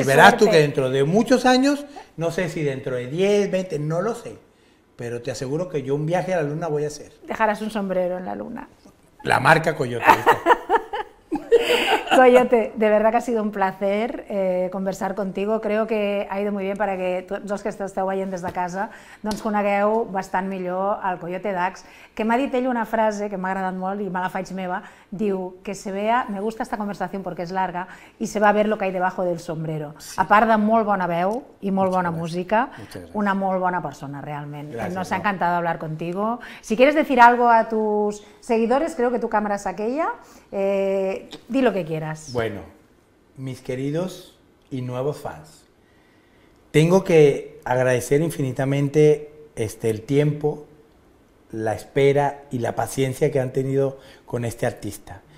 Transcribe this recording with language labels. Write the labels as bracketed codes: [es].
[es] y verás suerte. Tú que dentro de muchos años, no sé si dentro de 10, 20, no lo sé, pero te aseguro que yo un viaje a la luna voy a hacer. Dejarás un sombrero en la luna. La marca Coyote. Coyote, de verdad que ha sido un placer conversar contigo. Creo que ha ido muy bien para que [ca] tots els que esteu veient des de casa doncs conegueu bastant millor el Coyote Dax, que m'ha dit ell una frase que m'ha agradat molt i me la faig meva. [es] Diu que se vea, me gusta esta conversación porque es larga, y se va a ver lo que hay debajo del sombrero. Sí. [ca] A part de molt bona veu i molt bona música, una molt bona persona, realment. [es] Gracias, nos ha encantado hablar contigo. Si quieres decir algo a tus seguidores, creo que tu cámara es aquella, di lo que quieras. Bueno, mis queridos y nuevos fans, tengo que agradecer infinitamente el tiempo, la espera y la paciencia que han tenido con este artista.